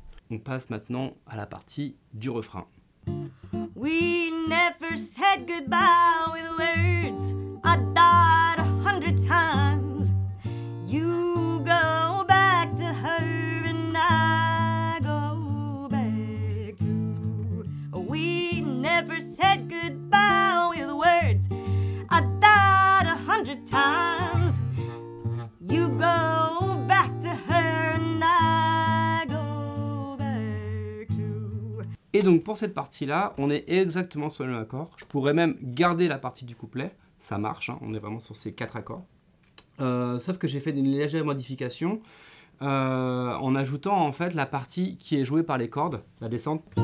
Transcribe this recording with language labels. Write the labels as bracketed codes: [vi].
[fr] On passe maintenant à la partie du refrain. [en] We never said goodbye with words. I died 100 times. You go back to her and I go back to. We never said goodbye with words. I died 100 times. You go back to her and I go back to. [fr] Et donc pour cette partie-là, on est exactement sur le même accord. Je pourrais même garder la partie du couplet. Ça marche, hein. On est vraiment sur ces quatre accords. Sauf que j'ai fait une légère modification en ajoutant en fait la partie qui est jouée par les cordes, la descente.